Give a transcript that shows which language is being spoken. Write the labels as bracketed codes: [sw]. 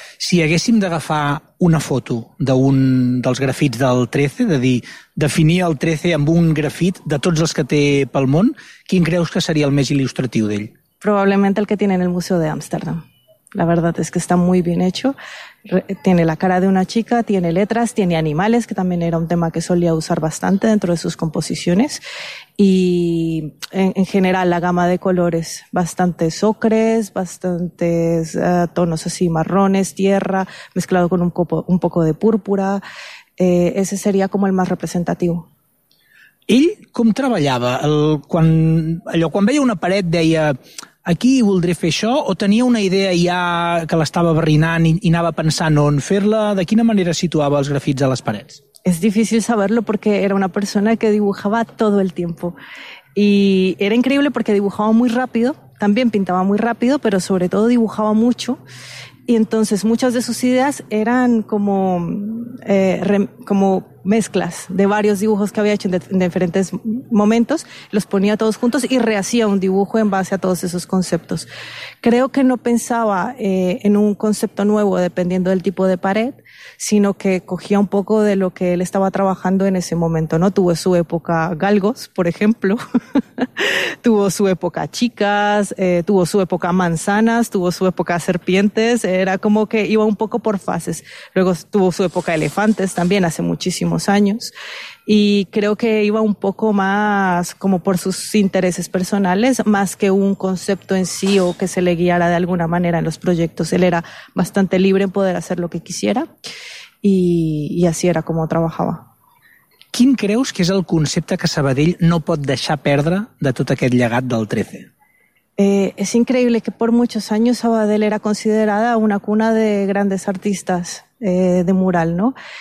[ca] Si haguéssim d'agafar una foto d'un dels grafits del 13, de dir, definir el 13 amb un grafit de tots els que té pel món, quin creus que seria el més il·lustratiu d'ell? Probablement el que tenen al Museu d'Amsterdam. [es] La verdad es que está muy bien hecho. Tiene la cara de una chica, tiene letras, tiene animales, que también era un tema que solía usar bastante dentro de sus composiciones. Y en general la gama de colores, bastantes ocres, bastantes tonos así marrones, tierra, mezclado con un poco de púrpura. Ese sería como el más representativo. [ca] Ell com treballava? Quan veia una paret deia... Aquí voldré fer això, o tenia una idea ja que l'estava barrinant i anava pensant on fer-la? De quina manera situava els grafits a les parets? [es] Es difícil saberlo porque era una persona que dibujaba todo el tiempo. Y era increíble porque dibujaba muy rápido, también pintaba muy rápido, pero sobre todo dibujaba mucho. Y entonces muchas de sus ideas eran como, como mezclas de varios dibujos que había hecho en diferentes momentos, los ponía todos juntos y rehacía un dibujo en base a todos esos conceptos. Creo que no pensaba en un concepto nuevo dependiendo del tipo de pared, sino que cogía un poco de lo que él estaba trabajando en ese momento, ¿no? Tuvo su época galgos, por ejemplo, tuvo su época chicas, tuvo su época manzanas, tuvo su época serpientes, era como que iba un poco por fases. Luego tuvo su época elefantes también hace muchísimos años y creo que iba un poco más como por sus intereses personales, más que un concepto en sí o que se le guiara de alguna manera en los proyectos. Él era bastante libre en poder hacer lo que quisiera. [ca] I així era com treballava. Quin creus que és el concepte que Sabadell no pot deixar perdre de tot aquest llegat del 13? [es] Es increíble que por muchos años Sabadell era considerada una cuna de grandes artistas de mural, ¿no?